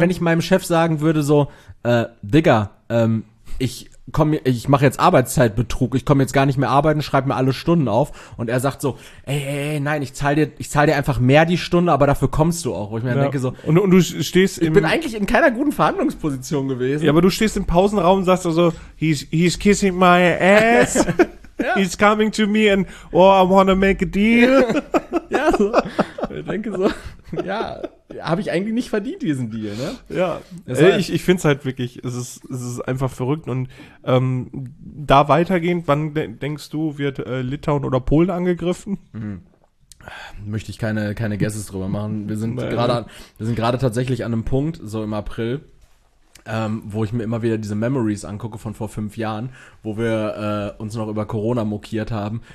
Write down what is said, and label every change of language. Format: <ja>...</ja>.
<de>Wenn ich meinem Chef sagen würde, so, Digga, ich mache jetzt Arbeitszeitbetrug, ich komme jetzt gar nicht mehr arbeiten, schreibe mir alle Stunden auf. Und er sagt so, nein, ich zahl dir einfach mehr die Stunde, aber dafür kommst du auch. Wo ich mir denke so. Und du stehst ich bin eigentlich in keiner guten Verhandlungsposition gewesen. Ja, aber du stehst im Pausenraum und sagst so, also,</de> <en>he's kissing my ass.</en> <de>Ja.</de> <en>He's coming to me and, oh, I wanna make a deal.</en> <de>Ja, so. Ich denke so, ja, habe ich eigentlich nicht verdient, diesen Deal, ne? Ja, ich finde es halt wirklich, es ist einfach verrückt. Und da weitergehend, wann denkst du, wird Litauen oder Polen angegriffen? Möchte ich keine Guesses drüber machen. Wir sind gerade tatsächlich an einem Punkt, so im April, wo ich mir immer wieder diese Memories angucke von vor 5 Jahren, wo wir uns noch über Corona mokiert haben.</de>